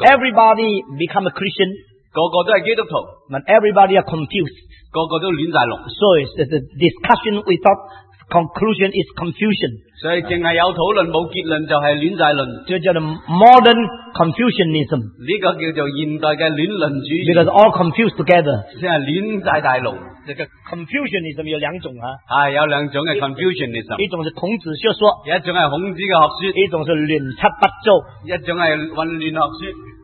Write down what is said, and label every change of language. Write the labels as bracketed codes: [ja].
[en] Everybody become a Christian， [yue] 个个都是基督徒。 [en] But everybody are confused， [yue] 个个都乱晒龙。 [en] So it's a discussion without conclusion is confusion。 [yue] 所以只是有讨论没有结论就是乱晒论，这叫做 [en] modern confucianism， [yue] 这个叫做现代的乱论主义。 [en] Because all confused together， [yue] 即是乱晒大龙。这个 confucianism 有两种啊，是有两种的 confucianism，一种是孔子学说，一种是孔子的学说，一种是乱七八糟，一种是混乱学说。